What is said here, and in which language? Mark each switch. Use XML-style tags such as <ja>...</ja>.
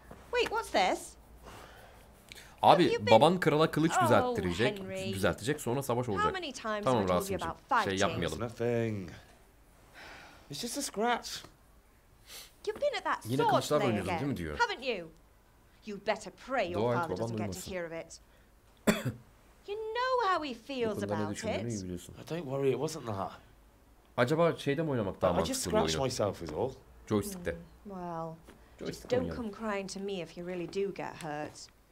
<en>Wait, what's this?</en> <tr>Abi, baban krala kılıç düzelttirecek, düzeltecek, sonra savaş olacak. Tamam rahatsızım. Şey yapmayalım.</tr> <en>It's just a scratch. You've been at that</en> <tr>yine kılıçlar oynuyordun değil mi diyor.</tr> <en>Haven't you? You'd better pray your father doesn't get to hear of it. You know how he feels about it. Don't worry, it wasn't that.</en> <tr>Acaba şeyde mi oynamak daha mantıklı oluyor?</tr> <en>I just scratched myself is all.</en> <tr>Joystick'te.</tr> <en>Well, just don't come crying to me if you really do get hurt.</en>